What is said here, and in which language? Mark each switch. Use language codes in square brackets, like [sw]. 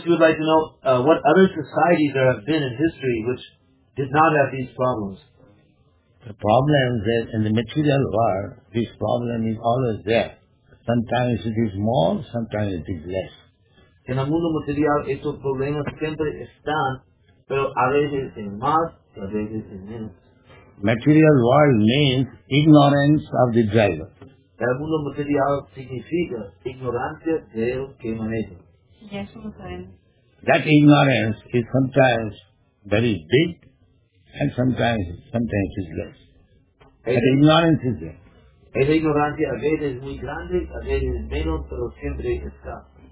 [en] she would like to know what other societies there have been in history which did not have these problems. The problem that in the material world, this problem is always there. Sometimes it is more, sometimes it is less. [es] En el mundo material estos problemas siempre están, pero a veces en más, a veces en menos. [en] Material world means ignorance of the driver. [es] El mundo material significa ignorancia del que maneja. [en] That ignorance is sometimes very big and sometimes is less. That ignorance is there. [es] Esa ignorancia a veces es muy grande, a veces es menos, pero siempre está.